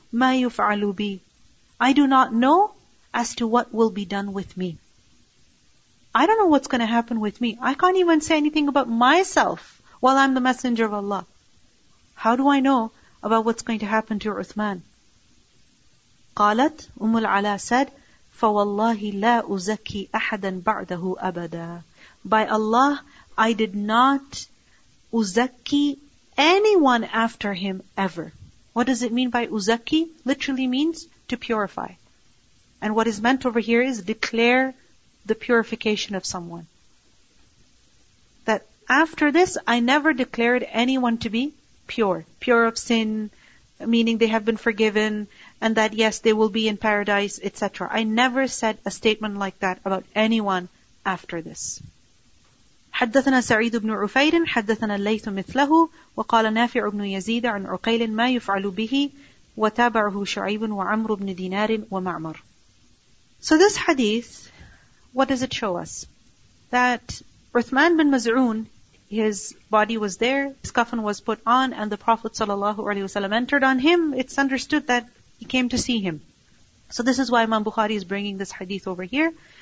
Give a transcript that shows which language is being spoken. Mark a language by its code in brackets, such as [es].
[ar] ما يفعل بي. [en] I do not know as to what will be done with me. I don't know what's going to happen with me. I can't even say anything about myself while I'm the messenger of Allah. How do I know about what's going to happen to Uthman? [ar] قالت أم العلاء [en] said, [ar] فوالله لا أزكي أحدا بعده أبدا. [en] By Allah, I did not أزكي anyone after him ever. What does it mean by أزكي? Literally means to purify. And what is meant over here is declare the purification of someone. That after this, I never declared anyone to be pure. Pure of sin, meaning they have been forgiven, and that yes, they will be in paradise, etc. I never said a statement like that about anyone after this. [ar] حدثنا سعيد بن عفير حدثنا الليث مثله وقال نافع بن يزيد عن عقيل ما يفعل به وتابعه شعيب وعمر بن دينار ومعمر. [en] So this hadith, what does it show us? That Uthman bin Maz'un, his body was there, his coffin was put on, and the Prophet ﷺ entered on him. It's understood that he came to see him. So this is why Imam Bukhari is bringing this hadith over here.